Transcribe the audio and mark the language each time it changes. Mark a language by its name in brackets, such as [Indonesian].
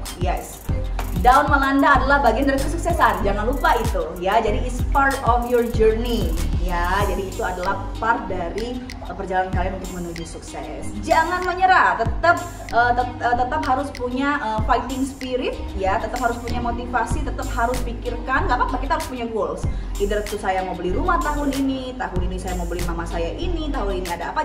[Indonesian] Yes, down melanda adalah bagian dari kesuksesan. Jangan lupa itu ya. Jadi [English] it's part of your journey ya. [Indonesian] Jadi itu adalah part dari perjalanan kalian untuk menuju sukses. Jangan menyerah. Tetap harus punya [English] fighting spirit [Indonesian] ya. Tetap harus punya motivasi. Tetap harus pikirkan. Gak apa-apa, kita harus punya goals. [English] Either [Indonesian] itu saya mau beli rumah tahun ini saya mau beli mama saya ini, tahun ini ada apa.